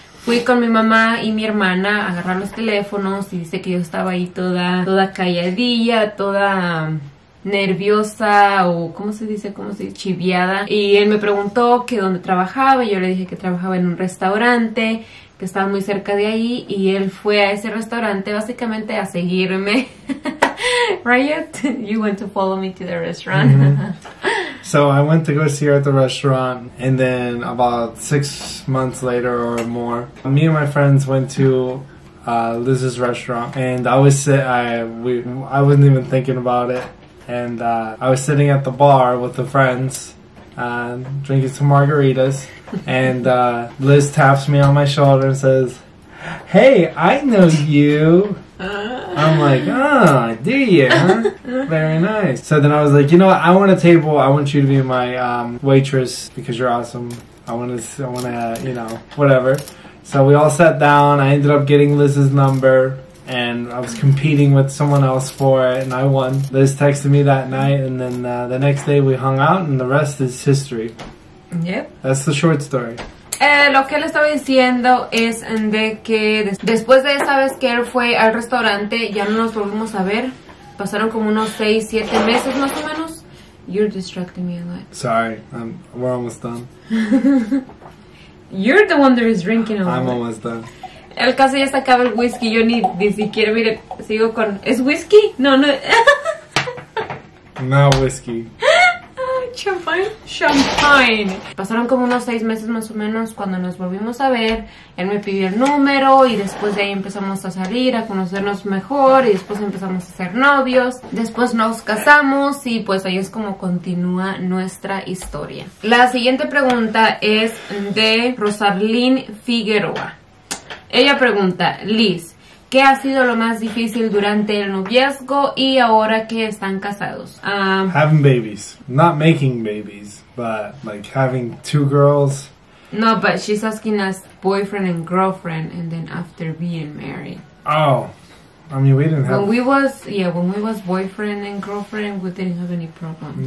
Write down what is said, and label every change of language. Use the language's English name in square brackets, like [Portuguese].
[Spanish] Fui con mi mamá y mi hermana a agarrar los teléfonos y dice que yo estaba ahí toda calladilla, toda nerviosa o ¿cómo se dice? Chiviada. Y él me preguntó que dónde trabajaba y yo le dije que trabajaba en un restaurante que estaba muy cerca de ahí y él fue a ese restaurante básicamente a seguirme. [English] Riot, you went to follow me to the restaurant. So I went to go see her at the restaurant, and then about 6 months later or more, me and my friends went to Liz's restaurant, and I wasn't even thinking about it, and I was sitting at the bar with the friends, drinking some margaritas, and Liz taps me on my shoulder and says, hey, I know you. I'm like, oh, do you, huh? Very nice. So then I was like, you know what? I want a table. I want you to be my waitress because you're awesome. I want to, whatever. So we all sat down. I ended up getting Liz's number, and I was competing with someone else for it, and I won. Liz texted me that night, and then the next day we hung out, and the rest is history. Yep. That's the short story. [Spanish] Lo que él estaba diciendo es de que después de esa vez que él fue al restaurante, ya no nos volvimos a ver. Pasaron como unos 6, 7 meses más o menos. [English] You're distracting me a lot. Sorry, we're almost done. You're the one that is drinking a lot. I'm almost done. [Spanish] El caso ya se acaba el whisky, yo ni siquiera, mire, sigo con... ¿Es whisky? No, no. [English] No whisky. Champagne. [Spanish] Pasaron como unos 6 meses más o menos cuando nos volvimos a ver. Él me pidió el número y después de ahí empezamos a salir, a conocernos mejor y después empezamos a ser novios. Después nos casamos y pues ahí es como continúa nuestra historia. La siguiente pregunta es de Rosalín Figueroa. Ella pregunta, Liz, ¿qué ha sido lo más difícil durante el noviazgo y ahora que están casados? [English] Having babies. Not making babies, but like having two girls. No, but she's asking us boyfriend and girlfriend and then after being married. Oh, I mean we didn't have... When we was boyfriend and girlfriend, we didn't have any problems.